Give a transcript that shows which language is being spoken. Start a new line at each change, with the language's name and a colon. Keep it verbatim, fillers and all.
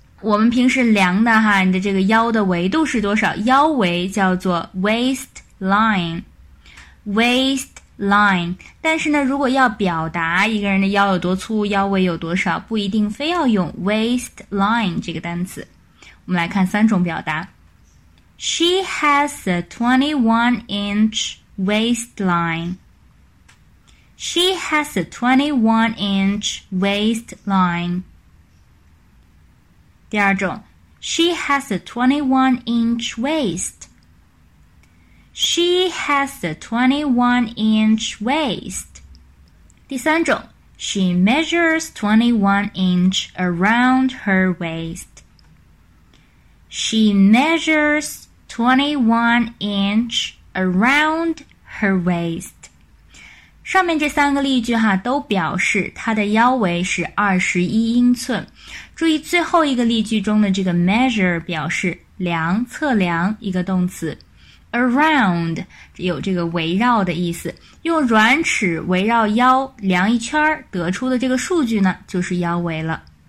Chinese: 我们平时量的哈，你的这个腰的维度是多少？腰围叫做 waistline， waistline。但是呢，如果要表达一个人的腰有多粗，腰围有多少，不一定非要用 waistline 这个单词。我们来看三种表达。
English: She has a twenty-one inch waistline。 She has a twenty-one inch waistline。
Chinese: 第二种
English: ，She has a twenty-one inch waist。 She has a twenty-one inch waist。
Chinese: 第三种
English: ，She measures twenty-one inch around her waist。 She measures twenty-one inch around her waist。
Chinese: 上面这三个例句哈，都表示它的腰围是二十一英寸。注意最后一个例句中的这个 measure 表示量、测量一个动词。 around 有这个围绕的意思，用软尺围绕腰量一圈，得出的这个数据呢，就是腰围了。